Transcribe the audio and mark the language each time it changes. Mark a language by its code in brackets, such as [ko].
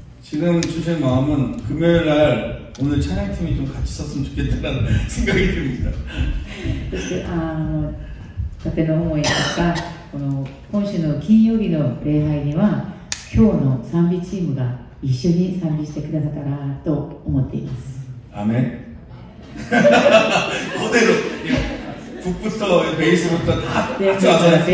[ko] 지금 주신 마음은 금요일 날 오늘 찬양팀이 좀 같이 섰으면 좋겠다는 생각이 듭니다. [ja] 今週の金曜日の礼拝には今日の賛美チームが一緒に賛美してくださったらと思っています。 [ko] 아멘. 그대로 북부터 베이스부터 다 같이 와서